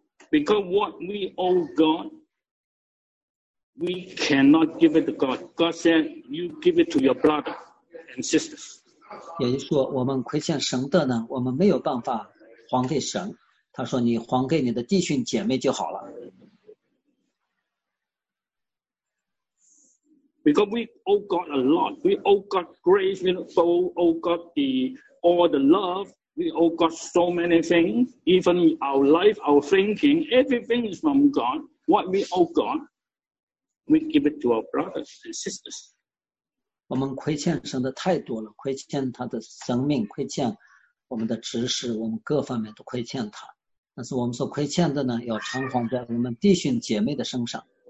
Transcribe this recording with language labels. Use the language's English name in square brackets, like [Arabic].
[English] Because what we owe God, we cannot give it to God. God said, "You give it to your brother and sisters." [Chinese] 也就是说，我们亏欠神的呢，我们没有办法还给神。他说，你还给你的弟兄姐妹就好了。 [English] Because we owe God a lot, we owe God grace, we owe God all the love. We owe God so many things, even our life, our thinking, everything is from God. What we owe God, we give it to our brothers and sisters. [Chinese] 我们亏欠神的太多了，亏欠他的生命，亏欠我们的知识，我们各方面都亏欠他。但是我们所亏欠的呢，要偿还在我们弟兄姐妹的身上。